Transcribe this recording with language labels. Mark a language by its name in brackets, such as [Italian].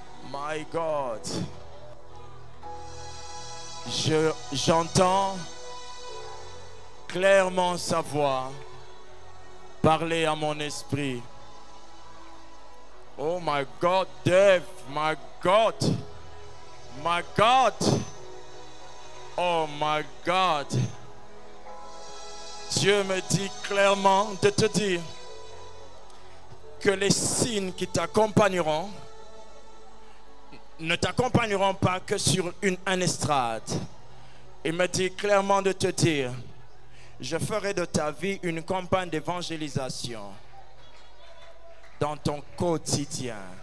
[English] My God. [French] J'entends clairement sa voix parler à mon esprit. [English] Oh my God, Dave, my God, my God, oh my God. [French] Dieu me dit clairement de te dire que les signes qui t'accompagneront ne t'accompagneront pas que sur un estrade. Il me dit clairement de te dire, je ferai de ta vie une campagne d'évangélisation dans ton quotidien.